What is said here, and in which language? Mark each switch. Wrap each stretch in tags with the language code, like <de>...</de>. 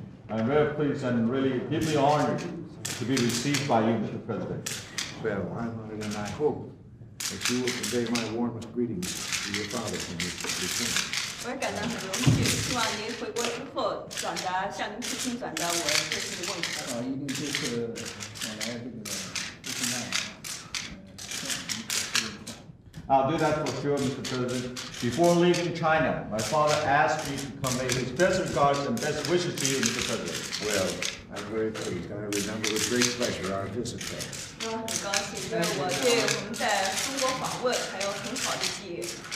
<en>I'm very pleased and really deeply honored to be received by you, Mr. President. Well, I'm honored and I hope that you will convey my warmest greetings to your father and his family.</en> <zh>我感到很荣幸，希望您回国之后转达向您父亲转达我这次的问候。啊，一定就是转达这个父亲爱。</zh> <en>I'll do that for sure, Mr. President. Before leaving China, my father asked me to convey his best regards and best wishes to you, Mr. President. Well, I'm very pleased. I remember with great pleasure our visit there.</en> <zh>我很高兴，因为我对我们在中国访问还有很好的记忆。</zh>